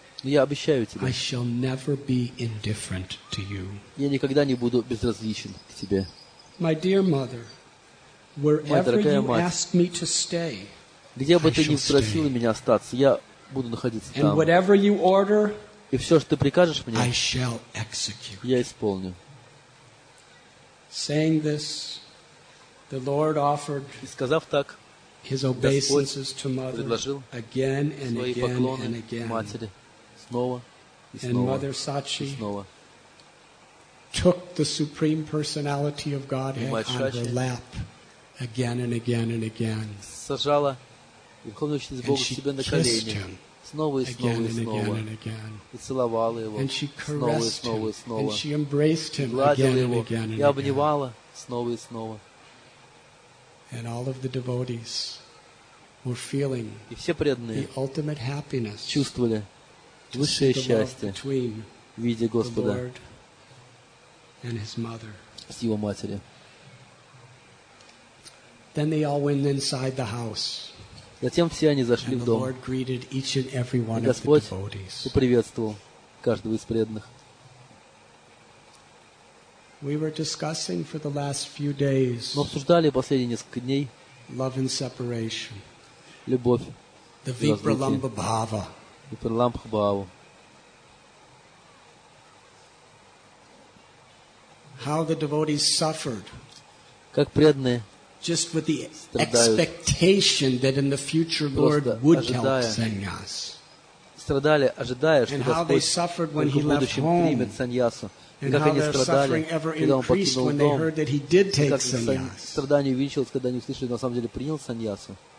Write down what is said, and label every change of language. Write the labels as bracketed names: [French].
[Russian] Я обещаю тебе, я никогда не буду безразличен к тебе. [English] My dear mother, wherever you ask me to stay, [Russian] где бы ты ни спросил меня остаться, я буду находиться там. [English] And whatever you order, [Russian] и все, что ты прикажешь мне, [English] I shall execute. [Russian] Я исполню. [English] Saying this, the Lord offered his obeisances to mother again and again and again. [Russian] Матери снова и снова. [English] And mother Sachi took the Supreme Personality of Godhead on her lap again and again and again. [Russian] Сажала Верховную Личность Бога себе на колени. Снова и снова и снова. И целовала его. [English] And she [Russian] снова и снова и снова. [English] And she embraced him again and again and again. [Russian] И обнимала снова и снова. [English] And all of the devotees were feeling the ultimate happiness. [Russian] Чувствовали высшее счастье, видя Господа. [English] And his mother. [Russian] С его матери. [English] Then they all went inside the house. [Russian] Затем все они зашли в дом. [English] And the Lord greeted each and every one of the devotees. [Russian] Господь приветствовал каждого из преданных. [English] We were discussing for the last few days. [Russian] Мы обсуждали последние несколько дней. [English] Love and separation. [Russian] Любовь. [English] The Vipralamba Bhava. [Sanskrit] Vipralamba Bhava. [English] How the devotees suffered. [Russian] Как преданные. [English] Just with the expectation that in the future Lord would help sannyas. [Russian] страдали, ожидая, что Господь в будущем примет саньясу. И как они страдали, когда Он покинул дом. И как страдание увеличилось, когда они услышали, что на самом деле принял саньясу.